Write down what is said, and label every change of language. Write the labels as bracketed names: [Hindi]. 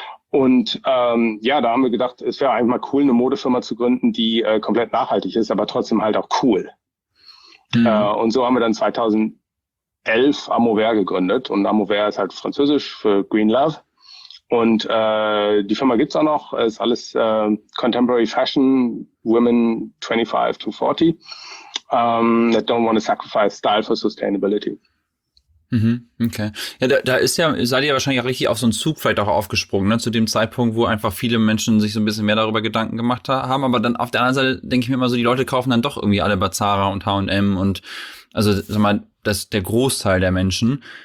[German] Und ja, da haben wir gedacht, es wäre einfach mal cool, eine Modefirma zu gründen, die komplett nachhaltig ist, aber trotzdem halt auch cool. Mhm. Und so haben wir dann 2011 Amover gegründet. Und Amover ist halt französisch für Green Love. Und die Firma gibt's auch noch. Ist alles [English] Contemporary Fashion, Women 25 to 40, that don't want to sacrifice style for sustainability. [German] Okay. Ja, da ist ja, seid ihr wahrscheinlich auch richtig auf so einen Zug vielleicht auch aufgesprungen, ne? Zu dem Zeitpunkt, wo einfach viele Menschen sich so ein bisschen mehr darüber Gedanken gemacht haben. Aber dann auf der anderen Seite denke ich mir immer so, die Leute kaufen dann doch irgendwie alle bei Zara und H&M und also sag mal, das ist der Großteil der Menschen.